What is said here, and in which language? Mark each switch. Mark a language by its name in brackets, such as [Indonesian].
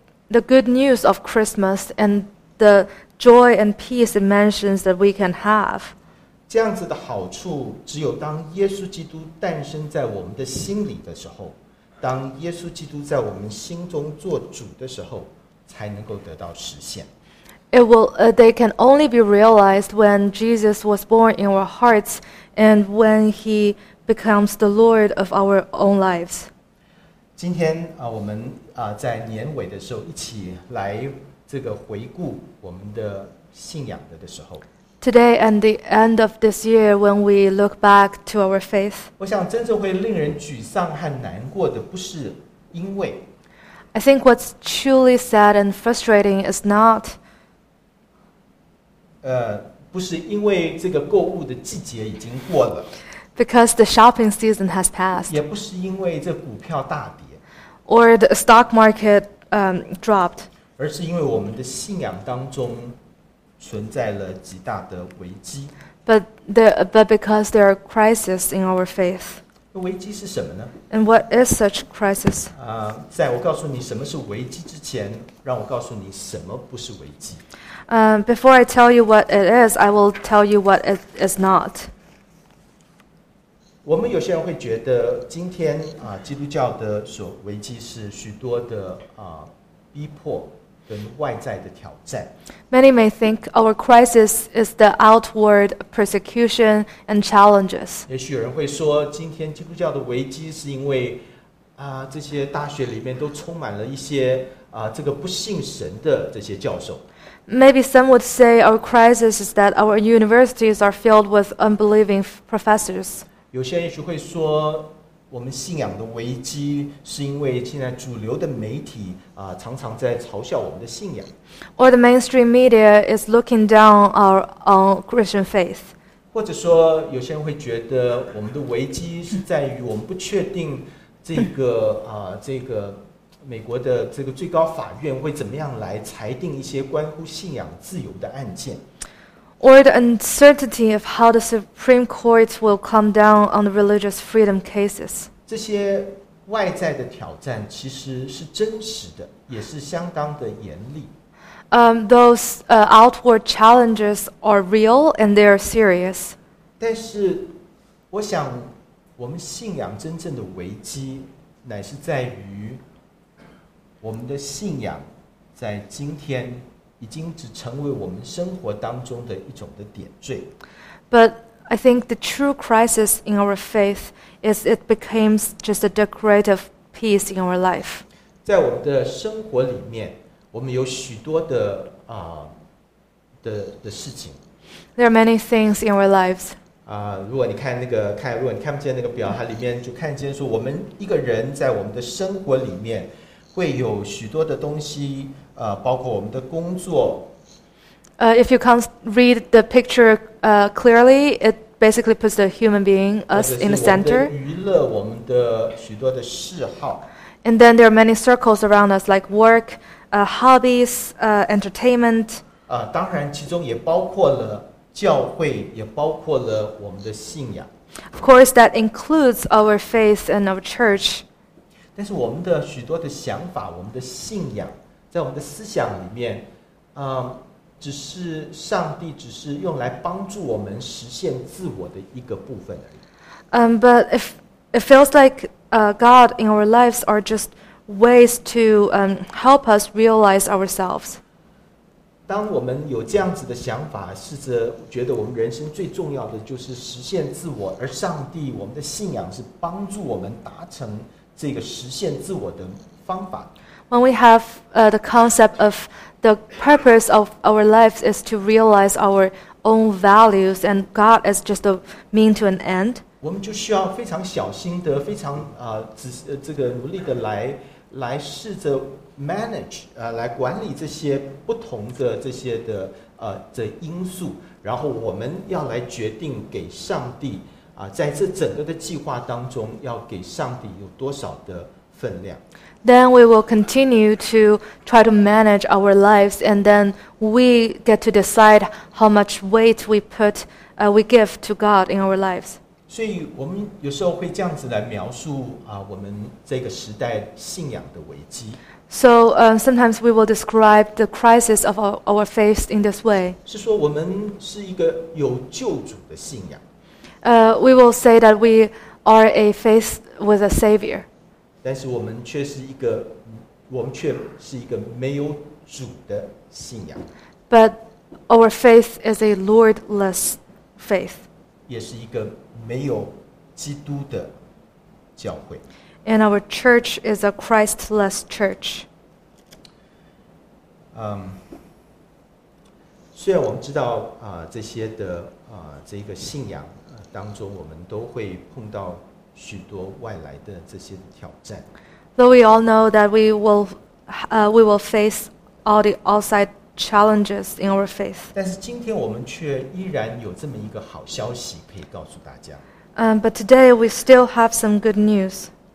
[English] The good news of Christmas and the joy and peace it mentions that we can have. [Chinese] 这样子的好处，只有当耶稣基督诞生在我们的心里的时候，当耶稣基督在我们心中做主的时候，才能够得到实现。 [English] They can only be realized when Jesus was born in our hearts and when he becomes the Lord of our own lives. [Chinese] 今天我们在年尾的时候一起来这个回顾我们的信仰的时候。 [English] Today and the end of this year, when we look back to our faith, [Chinese] 我想真正会令人沮丧和难过的不是因为。 [English] I think what's truly sad and frustrating is not. [Chinese] 不是因为这个购物的季节已经过了。 [English] Because the shopping season has passed. [Chinese] 也不是因为这股票大跌。 [English] Or the stock market dropped. [Chinese] 而是因为我们的信仰当中。存在了极大的危机。 [English] But because there are crises in our faith. [Chinese] 危机是什么呢？ [English] And what is such crisis? [Chinese] 在我告诉你什么是危机之前，让我告诉你什么不是危机。 [English] Before I tell you what it is, I will tell you what it is not. [Chinese] 我们有些人会觉得今天基督教的所危机是许多的逼迫。跟外在的挑战。 [English] Many may think our crisis is the outward persecution and challenges. [Chinese] 也许有人会说，今天基督教的危机是因为这些大学里面都充满了一些这个不信神的这些教授。 [English] Maybe some would say our crisis is that our universities are filled with unbelieving professors. [Chinese] 有些人也许会说。我们信仰的危机是因为现在主流的媒体常常在嘲笑我们的信仰。 [English] Or the mainstream media is looking down our own Christian faith. [Chinese] 或者说有些人会觉得我们的危机是在于我们不确定这个美国的这个最高法院会怎么样来裁定一些关乎信仰自由的案件。 [English] Or the uncertainty of how the Supreme Court will come down on the religious freedom cases. [Chinese] 这些外在的挑战其实是真实的，也是相当的严厉。 [English] Those outward challenges are real and they are serious. [Chinese] 但是，我想我们信仰真正的危机，乃是在于我们的信仰在今天。已经只成为我们生活当中的一种的点缀。 [English] But I think the true crisis in our faith is it becomes just a decorative piece in our life. [Chinese] 在我们的生活里面，我们有许多的的事情。 [English] There are many things in our lives. [Chinese] 如果你看那个看，如果你看不见那个表，它里面就看见说，我们一个人在我们的生活里面会有许多的东西。包括我们的工作。 [English] If you can't read the picture clearly, it basically puts the human being, us, in the center. [Chinese] 娱乐我们的许多的嗜好。 [English] And then there are many circles around us, like work, hobbies, entertainment. [Chinese] 当然其中也包括了教会，也包括了我们的信仰。 [English] Of course, that includes our faith and our church. [Chinese] 但是我们的许多的想法，我们的信仰。在我们的思想里面，只是上帝只是用来帮助我们实现自我的一个部分而已。 [English] But if it feels like God in our lives are just ways to help us realize ourselves. [Chinese] 当我们有这样子的想法，试着觉得我们人生最重要的就是实现自我，而上帝，我们的信仰是帮助我们达成这个实现自我的方法。 [English] When we have the concept of the purpose of our lives is to realize our own values and God is just a mean to an end. [Chinese] 我们就需要非常小心的非常这个努力的来试着 manage 来管理这些不同的这些的的因素，然后我们要来决定给上帝在这整个的计划当中要给上帝有多少的分量。 [English] Then we will continue to try to manage our lives, and then we get to decide how much weight we give to God in our lives. [Chinese] 所以我们有时候会这样子来描述我们这个时代信仰的危机。 [English] So sometimes we will describe the crisis of our faith in this way. [Chinese] 是说我们是一个有救主的信仰。 [English] We will say that we are a faith with a savior. [Chinese] 但是我们却是一个，我们却是一个没有主的信仰。 [English] But our faith is a Lordless faith. [Chinese] 也是一个没有基督的教会。 [English] And our church is a Christless church. [Chinese] 虽然我们知道这些的这个信仰当中，我们都会碰到许多外来的这些挑战。 [English] Though we all know that we will face all the outside challenges in our faith. [Chinese] 但是今天我们却依然有这么一个好消息可以告诉大家。 [English] But today we still have some good news.